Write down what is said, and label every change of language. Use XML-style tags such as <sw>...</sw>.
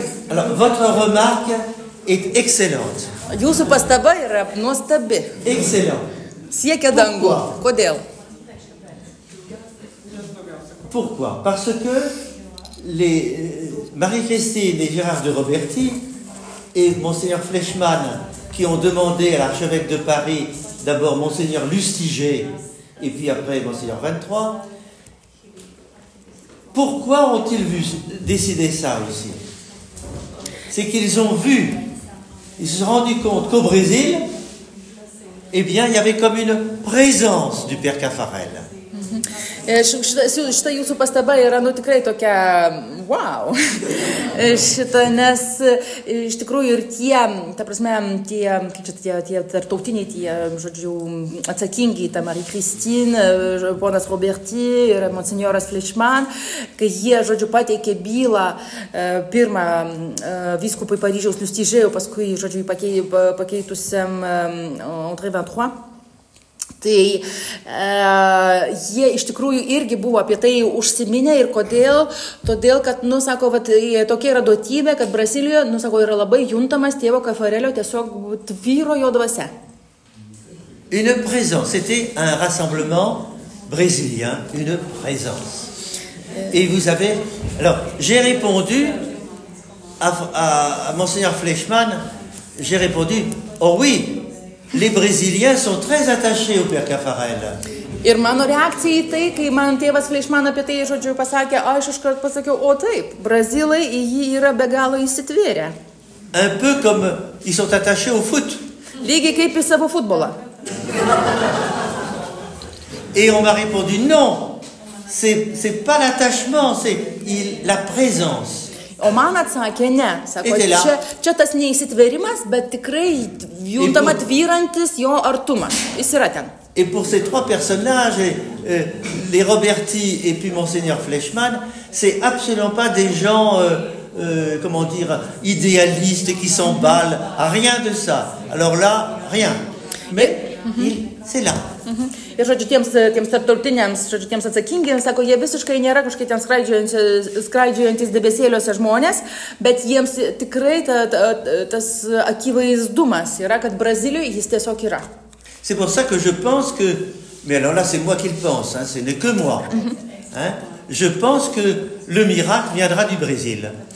<fr>Alors, votre remarque est excellente.</fr> <lt>Jūsų pastaba yra nuostabi.</lt> <fr>Excellent.</fr> <lt>Siekia dangų. Kodėl?</lt> <fr>Pourquoi? Parce que les Marie-Christine et Gérard de Roberti et Monseigneur Fleischmann qui ont demandé à l'archevêque de Paris d'abord Monseigneur Lustiger et puis après Monseigneur 23, pourquoi ont-ils vu décider ça aussi? C'est qu'ils ont vu. Ils se sont rendus compte qu'au Brésil, eh bien, il y avait comme une présence du père Caffarel.</fr> <lt>Šita jūsų pastaba yra nu, tikrai tokia wow. Šita, nes iš tikrųjų ir tie, ta prasme, tie, kaip čia, tie tarptautiniai, tie, žodžiu, atsakingi, ta Marie-Christine, ponas Roberti ir monsignoras Fleischmann, kai jie, žodžiu, pateikė bylą pirmą vyskupui Paryžiaus Lustigėjų, paskui, žodžiu, pakeitusiam André 23. Tai jie iš tikrųjų irgi buvo apie tai užsiminę ir kodėl, todėl, kad, nu, sako, vat, tokia yra duotybė, kad Brazilijoje, nu, sako, yra labai juntamas tėvo Caffarelio tiesiog tvyro jo dvasia.</lt> <fr>Une présence, c'était un rassemblement brésilien, une présence. Et vous avez, alors, j'ai répondu à Monseigneur Fleischmann, j'ai répondu, oh oui, les Brésiliens sont très attachés au père Caffarel.</fr> <lt>Ir mano reakcija į tai, kai man tėvas Fleischmann apie tai žodžiu pasakė, aš iškart pasakiau, o taip, brazilai į jį yra be galo įsitvėrę.</lt> <fr>Un peu comme ils sont attachés au foot.</fr> <lt>Lygiai kaip į savo futbolą.</lt> <fr>Et on m'a répondu, non, c'est pas l'attachement, c'est la présence.</fr> <lt>O man atsakė, ne, sako, čia tas neįsitvėrimas, bet tikrai juntama tvyrantis jo artumas. Jis yra ten.</lt> <fr>Et pour ces trois personnages, les Roberti et puis Monseigneur Fleischmann, c'est absolument pas des gens, comment dire, idéalistes qui s'emballent, rien de ça. Alors là, rien. Mais c'est là.</fr> <lt>Ir, žodžiu, tiems tartautiniams, žodžiu, tiems atsakingiems, sako, jie visiškai nėra kažkai ten skraidžiuojantys debesėliuose žmonės, bet jiems tikrai tas akivaizdumas yra, kad Brazilijoje jis tiesiog yra.</lt> <fr>C'est pour ça que je pense que... Mais alors là, c'est moi qui le pense, hein, ce n'est que moi. Hein? Je pense que le miracle viendra du Brésil.</fr>